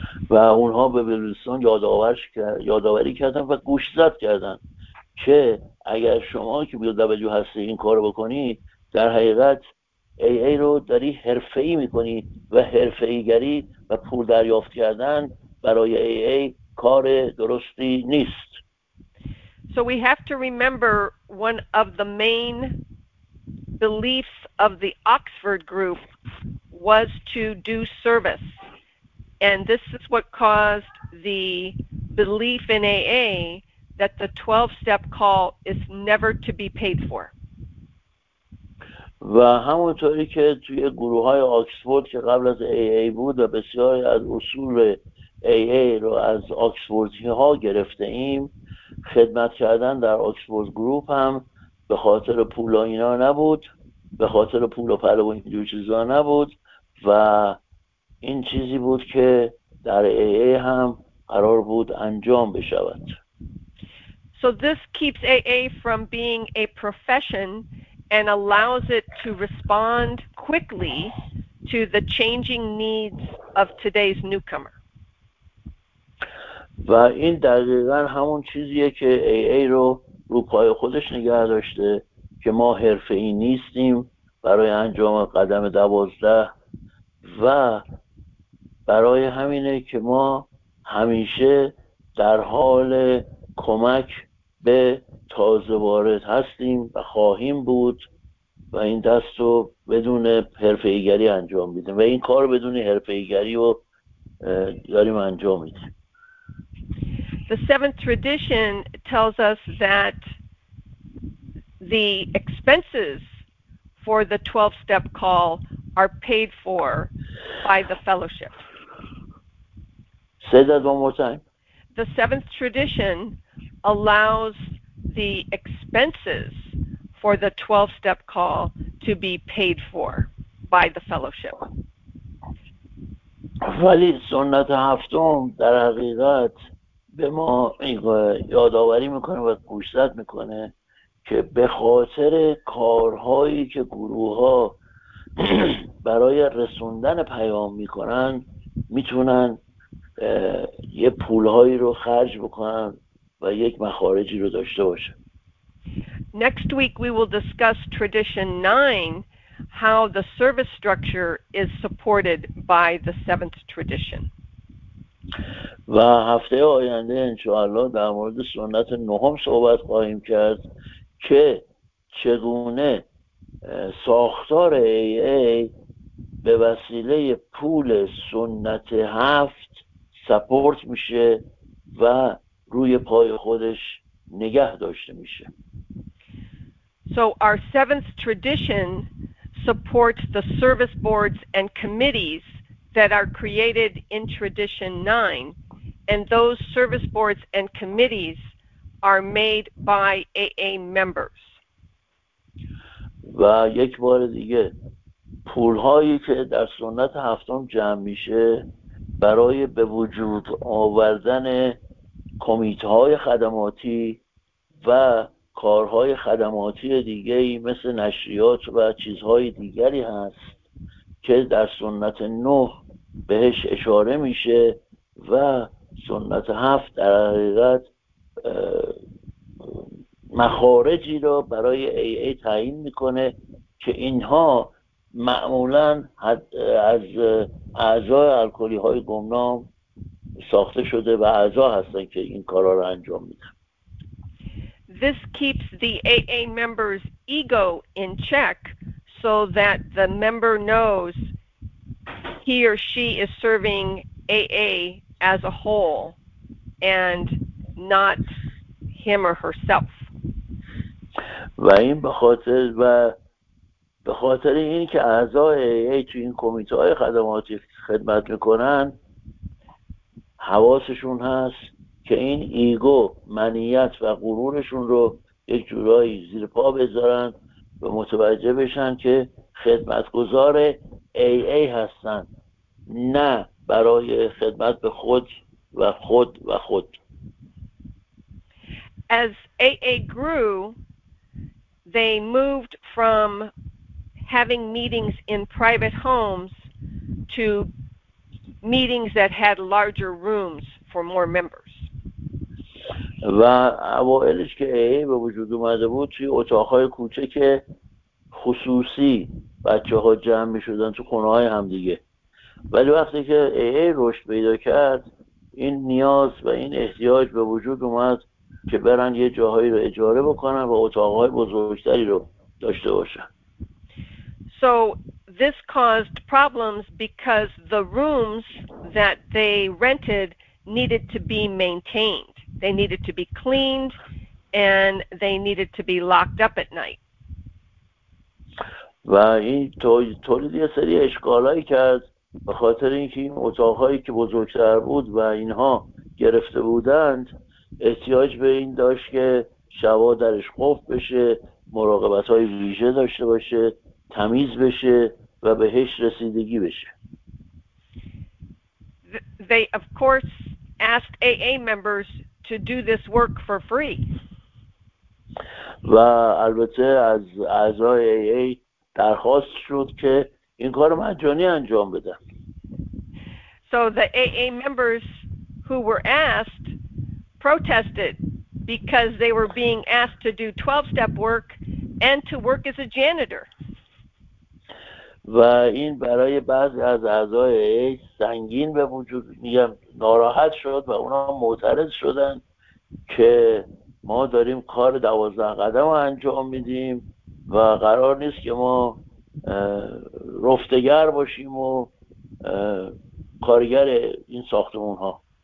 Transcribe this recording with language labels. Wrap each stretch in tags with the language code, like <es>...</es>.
<fa>و اونها به بیل ویلسون یادآوری کردن و گوشزد کردن که اگر شما که بیل دبلیو هستی این کار رو بکنی، در حقیقت AA رو داری حرفه‌ای میکنی و حرفه‌ایگری و پول دریافت کردن برای AA کار درستی نیست.</fa> <en>So we have to remember one of the main beliefs of the Oxford group was to do service. And this is what caused the belief in AA that the 12-step call is never to be paid for.</en> <fa>و همونطوری که توی گروه‌های آکسفورد که قبل از AA بود و بسیاری از اصول AA رو از آکسفوردی‌ها گرفته ایم، خدمت کردن در آکسفورد گروپ هم به خاطر پول و اینا نبود، به خاطر پول و پله و اینجور چیزا نبود و این چیزی بود که در AA هم قرار بود انجام بشود.</fa> <en>So this keeps AA from being a profession and allows it to respond quickly to the changing needs of today's newcomer.</en> <fa>و این دقیقا همون چیزیه که AA رو رو پای خودش نگه داشته که ما حرفه‌ای نیستیم برای انجام قدم 12 و برای همینه که ما همیشه در حال کمک به تازه وارد هستیم و خواهیم بود و این دست رو بدون حرفه‌ایگری انجام میدیم و این کار بدون حرفه‌ایگری رو داریم انجام میدیم.</fa> <en>The seventh tradition tells us that the expenses for the 12-step call are paid for by the fellowship. Say that one more time. The seventh tradition allows the expenses for the 12-step call to be paid for by the fellowship.</en> <fa>ولی سنت هفتم در حقیقت به ما یادآوری میکنه و گوشزد میکنه که به خاطر کارهایی که گروه‌ها برای رسوندن پیام میکنن میتونن یه پولهایی رو خرج بکنن و یک مخارجی رو داشته باشن.</fa> <en>Next week we will discuss tradition 9, how the service structure is supported by the seventh tradition.</en> <fa>و هفته آینده انشاءالله در مورد سنت نهم صحبت خواهیم کرد که چگونه ساختار AA به وسیله پول سنت هفت سپورت میشه و روی پای خودش نگه داشته میشه.</fa> <en>So our seventh tradition supports the service boards and committees that are created in tradition 9, and those service boards and committees are made by AA members.</en> <fa>و یک بار دیگه پولهایی که در سنت هفتم جمع میشه برای به وجود آوردن کمیته‌های خدماتی و کارهای خدماتی دیگه‌ای مثل نشریات و چیزهای دیگری هست که در سنت نه بهش اشاره میشه و سنت هفت در حقیقت مخارجی را برای AA تعیین میکنه که اینها معمولا از اعضای الکلی های گمنام ساخته شده و اعضا هستن که این کارا را انجام میدن.</fa> <en>This keeps the AA member's ego in check so that the member knows he or she is serving AA as a whole and not him or herself.</en> <fa>و این به خاطر این که اعضای AA تو این کمیته‌های خدماتی خدمت میکنن حواسشون هست که این ایگو، منیت و غرورشون رو یک جورایی زیر پا بذارن و متوجه بشن که خدمتگزار AA هستن نه برای خدمت به خود و خود و خود.</fa> <en>As AA grew, they moved from having meetings in private homes to meetings that had larger rooms for more members.</en> <fa>و اوائلش که AA به وجود اومده بود توی اتاقهای کوچه که خصوصی بچه ها جمع می شدن تو خونه های هم دیگه، ولی وقتی که AA رشد پیدا کرد این نیاز و این احتیاج به وجود اومد که برن یه جاهایی رو اجاره بکنن و اتاقهای بزرگتری رو داشته باشن.</fa> <en>So this caused problems because the rooms that they rented needed to be maintained. They needed to be cleaned and they needed to be locked up at night.</en> <fa>و این تولید یه سری اشکالایی کرد به خاطر اینکه این اتاقهایی که بزرگتر بود و اینها گرفته بودند احتیاج به این داشت که شبا درش قفل بشه، مراقبت‌های ویژه داشته باشه، تمیز بشه و بهش رسیدگی بشه.</fa> <en>They of course asked AA members to do this work for free.</en> <fa>و البته از اعضای AA درخواست شد که این کار مجانی انجام بدن.</fa> <en>So the AA members who were asked protested because they were being asked to do 12-step work and to work as a janitor.</en> <fa>و این برای بعضی از اعضای AA سنگین به وجود میگم ناراحت شد و اونا معترض شدن که ما داریم کار 12 قدم رو انجام میدیم و قرار نیست که ما رفتگر باشیم و کارگر این ساختمون ها.</fa>